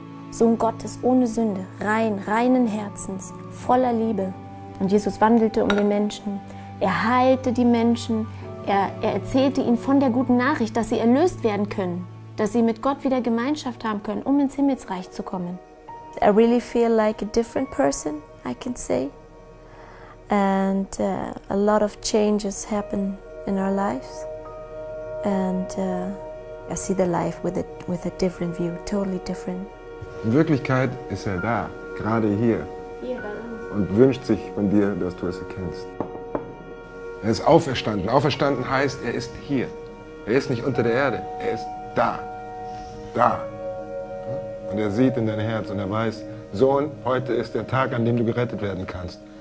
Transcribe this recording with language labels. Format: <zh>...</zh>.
<de>Sohn Gottes ohne Sünde, rein, reinen Herzens, voller Liebe. Und Jesus wandelte um den Menschen, er heilte die Menschen, er erzählte ihnen von der guten Nachricht, dass sie erlöst werden können, dass sie mit Gott wieder Gemeinschaft haben können, um ins Himmelsreich zu kommen.</de> <en>I really feel like a different person, I can say. And a lot of changes happen in our lives. And I see the life with a different view, totally different.</en> <de>In Wirklichkeit ist er da, gerade hier. Hier. Und wünscht sich von dir, dass du es erkennst. Er ist auferstanden. Auferstanden heißt, er ist hier. Er ist nicht unter der Erde, er ist da. Da. Und er sieht in dein Herz und er weiß, Sohn, heute ist der Tag, an dem du gerettet werden kannst.</de>